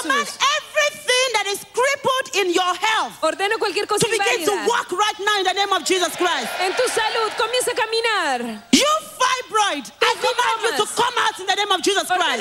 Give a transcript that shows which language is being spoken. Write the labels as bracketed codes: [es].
[en] I command everything that is crippled in your health. [es] Ordeno cualquier cosa [en] to begin to walk right now in the name of Jesus Christ. [es] En tu salud, comienza a caminar. [en] You fibroid, I command you to come out in the name of Jesus Christ.